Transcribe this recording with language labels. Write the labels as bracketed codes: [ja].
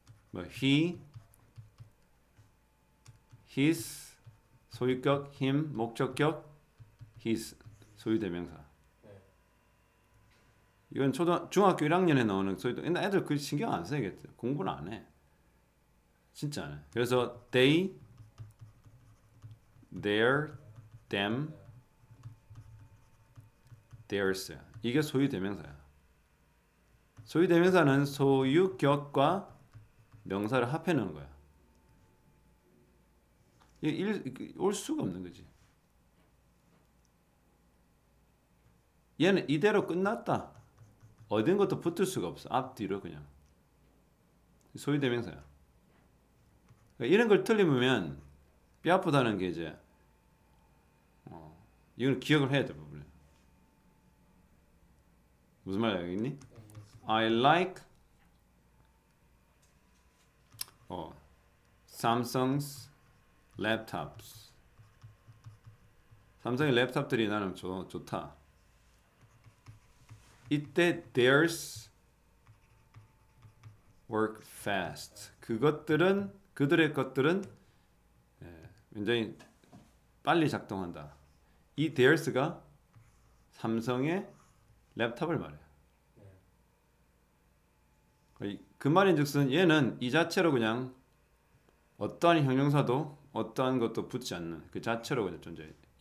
[ko] 뭐 he, his 소유격, him 목적격, his 소유 대명사. 이건 중학교 1학년에 나오는 소유도. 근데 애들 그 신경 안 써야겠지. 공부를 안 해. 진짜 안 해. [en] 그래서 they, their, them, theirs. [ko] 이게 소유 대명사야. 소유 대명사는 소유격과 명사를 합해 놓은 거야. 올 수가 없는 거지. 얘는 이대로 끝났다. 얻은 것도 붙을 수가 없어. 앞뒤로 그냥. 소유 대명사야. 이런 걸 틀리면 뼈 아프다는 게 이제 이건 기억을 해야 돼. 부분에. 무슨 말이야 여기니? [en] I like Samsung's laptops. [ko] 삼성의 랩탑들이 나는 좋다. 이때 [en] theirs work fast. [ko] 그것들은 그들의 것들은 굉장히 빨리 작동한다. 이 theirs가 삼성의 랩탑을 말해요. 그 말인즉슨 얘는 이 자체로 그냥 어떠한 형용사도 어떠한 것도 붙지 않는 그 자체로 그냥 존재해.